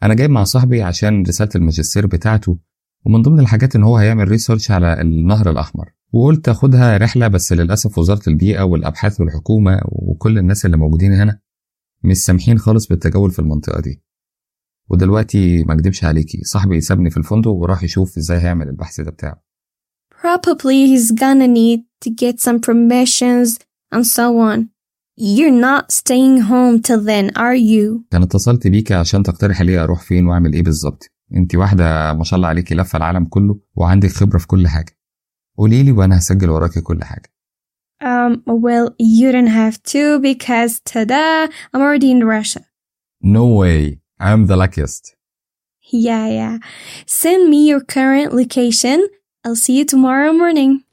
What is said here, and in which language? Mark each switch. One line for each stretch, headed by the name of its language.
Arabic: أنا جاي مع صاحبي عشان رسالة الماجستير بتاعته، ومن ضمن الحاجات إن هو هيعمل ريسيرش على النهر الأحمر، وقلت أخدها رحلة، بس للأسف وزارة البيئة والأبحاث والحكومة وكل الناس اللي موجودين هنا مش سامحين خالص بالتجول في المنطقة دي. ودلوقتي ما أكدبش عليكي، صاحبي سابني في الفندق وراح يشوف إزاي هيعمل البحث ده بتاعه.
English: Probably he's gonna need to get some permissions and so on. You're not staying home till then, are you?
Arabic: كان اتصلت بيك عشان تقترح لي اروح فين واعمل ايه بالظبط. انت واحدة ما شاء الله عليك لفة العالم كله وعندك خبرة في كل حاجة، قولي لي وانا هسجل وراك كل حاجة.
English: Well, you don't have to because tada, I'm already in Russia. No way, I'm the luckiest. Yeah. Send me your current location. I'll see you tomorrow morning.